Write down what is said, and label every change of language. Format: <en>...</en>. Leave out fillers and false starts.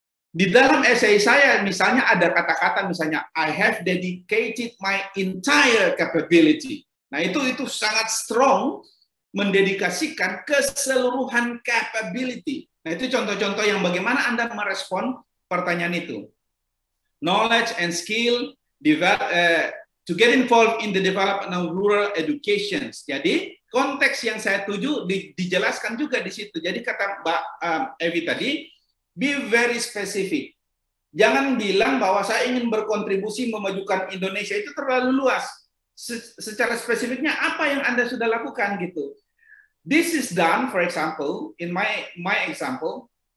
<id>Di dalam esai saya misalnya ada kata-kata misalnya</id> <en>I have dedicated my entire capability.</en> <id>Nah, itu sangat strong, mendedikasikan keseluruhan capability. Nah, itu contoh-contoh yang bagaimana Anda merespon pertanyaan itu.</id> <en>Knowledge and skill to get involved in the development of rural education.</en> <id>Jadi konteks yang saya tuju dijelaskan juga di situ. Jadi kata Mbak Evi tadi,</id> <en>be very specific.</en> <id>Jangan bilang bahwa saya ingin berkontribusi memajukan Indonesia, itu terlalu luas. Secara spesifiknya apa yang Anda sudah lakukan gitu.</id> <en>This is done, for example, in my example,</en>